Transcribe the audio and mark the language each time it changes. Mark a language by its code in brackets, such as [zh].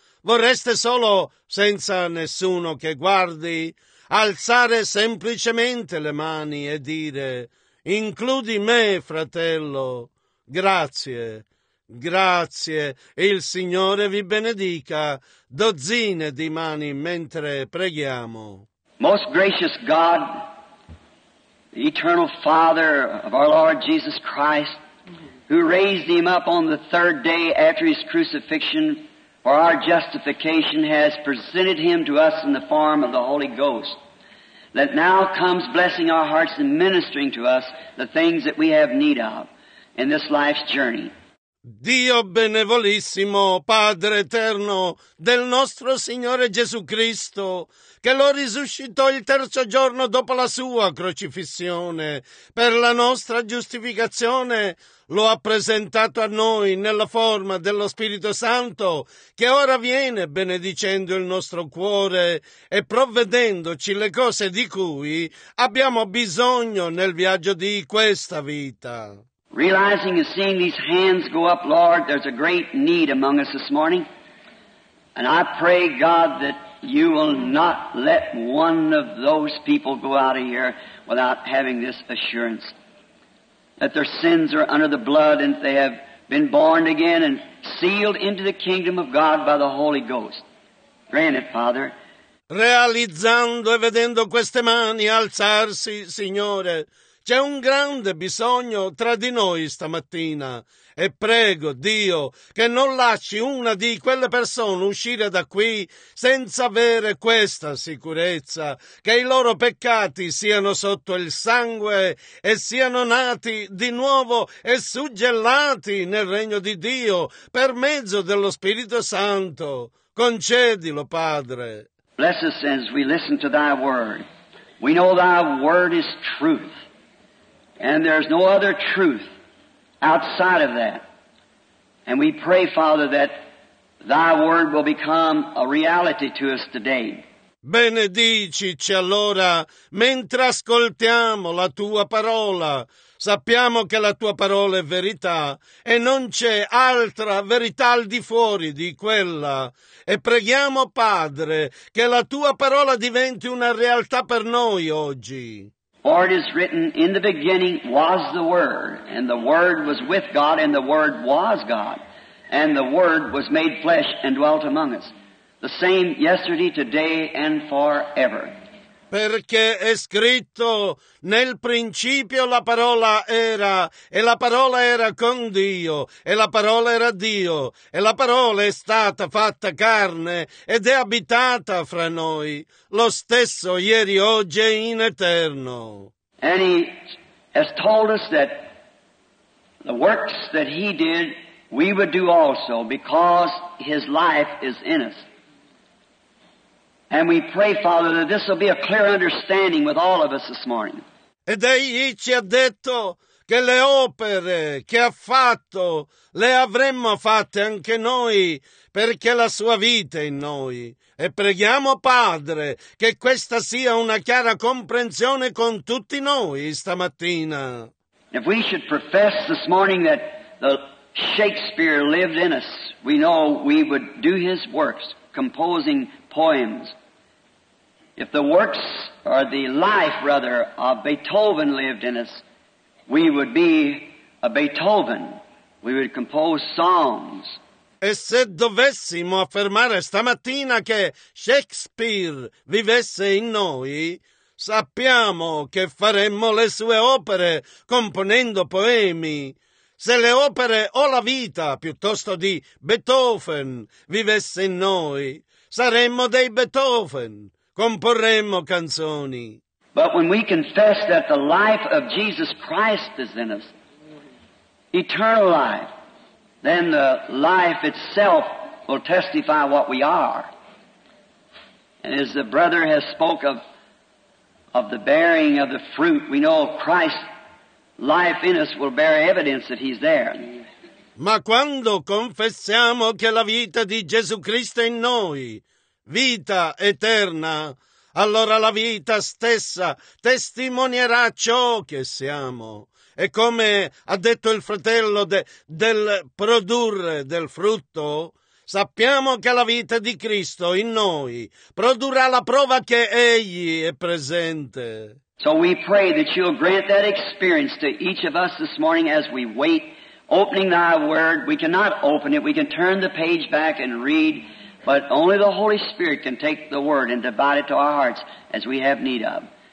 [it] Vorreste solo, senza nessuno che guardi, alzare semplicemente le mani e dire «Includi me, fratello, grazie». Grazie, il Signore vi benedica. Dozzine di mani mentre preghiamo. [en] Most gracious God, the eternal Father of our Lord Jesus Christ, who raised him up on the third day after his crucifixion for our justification, has presented him to us in the form of the Holy Ghost. That now comes blessing our hearts and ministering to us the things that we have need of in this life's journey. [it] Dio benevolissimo, Padre eterno del nostro Signore Gesù Cristo, che lo risuscitò il terzo giorno dopo la sua crocifissione, per la nostra giustificazione lo ha presentato a noi nella forma dello Spirito Santo, che ora viene benedicendo il nostro cuore e provvedendoci le cose di cui abbiamo bisogno nel viaggio di questa vita. [en] Realizing and seeing these hands go up, Lord, there's a great need among us this morning. And I pray, God, that you will not let one of those people go out of here without having this assurance that their sins are under the blood and they have been born again and sealed into the kingdom of God by the Holy Ghost. Grant it, Father. [it] Realizzando e vedendo queste mani alzarsi, Signore, c'è un grande bisogno tra di noi stamattina e prego, Dio, che non lasci una di quelle persone uscire da qui senza avere questa sicurezza, che i loro peccati siano sotto il sangue e siano nati di nuovo e suggellati nel regno di Dio per mezzo dello Spirito Santo. Concedilo, Padre. [en] Bless us as we listen to thy word. We know thy word is truth. And there's no other truth outside of that. And we pray, Father, that thy word will become a reality to us today. [it] Benedicici allora, mentre ascoltiamo la tua parola. Sappiamo che la tua parola è verità e non c'è altra verità al di fuori di quella. E preghiamo, Padre, che la tua parola diventi una realtà per noi oggi. [en] For it is written, in the beginning was the Word, and the Word was with God, and the Word was God, and the Word was made flesh and dwelt among us. The same yesterday, today, and forever. [it] Perché è scritto, nel principio la parola era, e la parola era con Dio, e la parola era Dio, e la parola è stata fatta carne, ed è abitata fra noi, lo stesso ieri, oggi e in eterno. [en] And he has told us that the works that he did, we would do also, because his life is in us. And we pray, Father, that this will be a clear understanding with all of us this morning. [it] Ed egli ci ha detto che le opere che ha fatto le avremmo fatte anche noi, perché la sua vita è in noi. E preghiamo, Padre, che questa sia una chiara comprensione con tutti noi stamattina. [en] If we should profess this morning that the Shakespeare lived in us, we know we would do his works, composing poems. If the works or the life, rather, of Beethoven lived in us, we would be a Beethoven. We would compose songs. [it] E se dovessimo affermare stamattina che Shakespeare vivesse in noi, sappiamo che faremmo le sue opere componendo poemi. Se le opere o la vita, piuttosto di Beethoven, vivesse in noi, saremmo dei Beethoven. Comporremmo canzoni. [en] But when we confess that the life of Jesus Christ is in us, eternal life, then the life itself will testify what we are. And as the brother has spoke of the bearing of the fruit, we know Christ's life in us will bear evidence that He's there. [it] Ma quando confessiamo che la vita di Gesù Cristo è in noi, vita eterna, allora la vita stessa testimonierà ciò che siamo. E come ha detto il fratello del produrre del frutto, sappiamo che la vita di Cristo in noi produrrà la prova che Egli è presente. [en] So we pray that you'll grant that experience to each of us this morning as we wait, opening thy word. We cannot open it, we can turn the page back and read, but only the Holy Spirit can take the word and divide it to our hearts as we have need of.